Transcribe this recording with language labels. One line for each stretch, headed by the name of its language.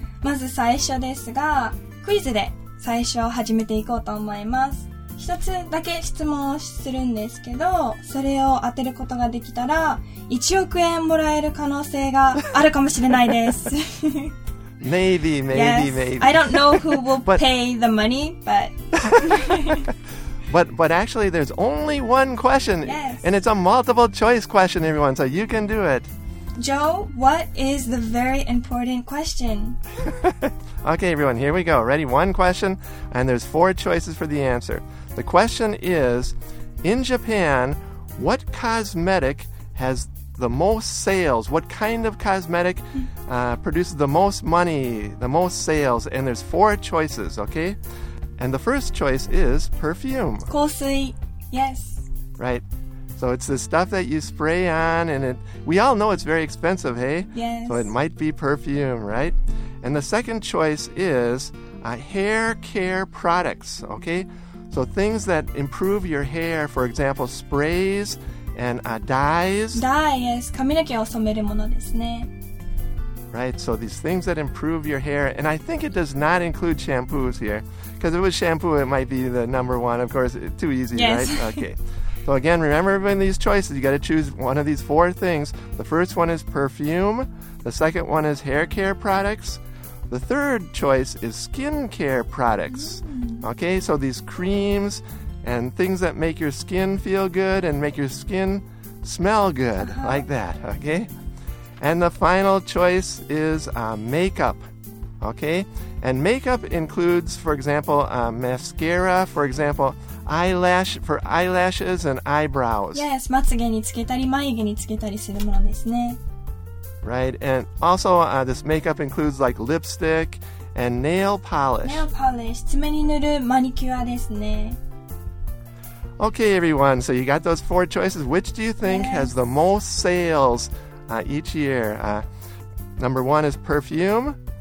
Japanese: まず最初ですが、クイズで最初始めていこうと思います。一つだけ質問をするんですけど、それを当てることができたら1億円もらえる可能性があるかもしれないです。
English: Maybe, maybe, maybe. Yes. I don't know who will pay the money, but... But actually, there's only one question. Yes. And it's a multiple choice question, everyone. So you can do it. Joe, what is the very important question? Okay, everyone, here we go. Ready? One question, and there's four choices for the answer. The question is, in Japan, what cosmetic has the most sales? What kind of cosmetic produces the most money, the most sales? And there's four choices, okay? And the first choice is perfume.
Japanese: 香水, yes.
English: Right. So it's the stuff that you spray on, and it. We all know it's very expensive, hey? Yes. So it might be perfume, right? And the second choice is hair care products, okay? So things that improve your hair, for example, sprays and dyes. Dye, yes.
Japanese: 髪の毛を染めるものですね。
English: Right, so these things that improve your hair, and I think it does not include shampoos here, because if it was shampoo, it might be the number one, of course, too easy, yes. Right? Okay. So again, remember when these choices, you got to choose one of these four things. The first one is perfume, the second one is hair care products, the third choice is skin care products, okay? So these creams and things that make your skin feel good and make your skin smell good, uh-huh. Like that, okay? And the final choice is makeup, okay? And makeup includes, for example, mascara, for example, eyelashes and eyebrows.
Japanese: Yes, まつげにつけたり眉毛につけたりするものですね。
English: Right, and also this makeup includes like lipstick and nail polish.
Japanese: Nail polish, 爪に塗るマニキュアですね。
English: Okay, everyone, so you got those four choices. Which do you think yes. has the most sales? Each year, number one is perfume.